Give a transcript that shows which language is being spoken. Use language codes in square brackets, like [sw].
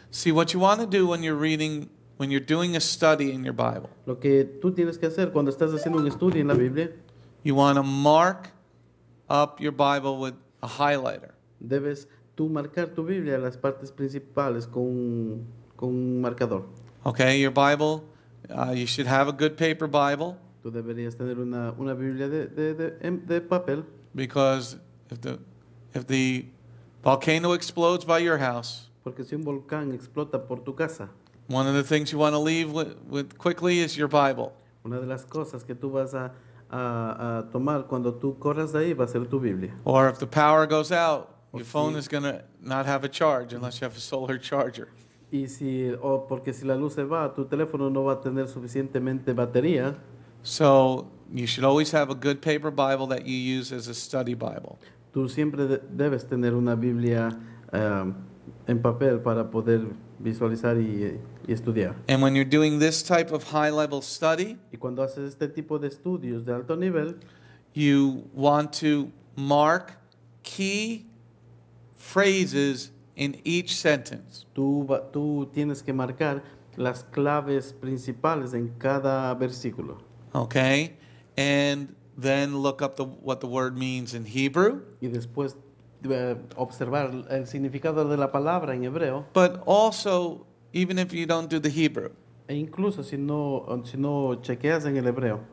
[en] See, what you want to do when you're reading When you're doing a study in your Bible. [es] Lo que tú tienes que hacer cuando estás haciendo un estudio en la Biblia. [en] You want to mark up your Bible with a highlighter. [es] Debes tú marcar tu Biblia las partes principales con un marcador. [en] Okay, your Bible, you should have a good paper Bible. [es] Tú deberías tener una Biblia de papel. [en] Because if the volcano explodes by your house. [es] Porque si un volcán explota por tu casa. [en] One of the things you want to leave with quickly is your Bible. [es] Una de las cosas que tú vas a tomar cuando tú corras de ahí va a ser tu Biblia. [en] Or if the power goes out, your phone is going to not have a charge unless you have a solar charger. [es] Y si o porque si la luz se va, tu teléfono no va a tener suficientemente batería. [en] So you should always have a good paper Bible that you use as a study Bible. [es] Tú siempre debes tener una Biblia en papel para poder visualizar y estudiar. [en] And when you're doing this type of high-level study, [es] y cuando haces este tipo de estudios de alto nivel, [en] you want to mark key phrases in each sentence. [es] Tú tienes que marcar las claves principales en cada versículo. [en] Okay, and then look up what the word means in Hebrew. [es] Y después observar el significado de la palabra en hebreo. [en] But also, even if you don't do the Hebrew, [es] e incluso si no chequeas en el hebreo,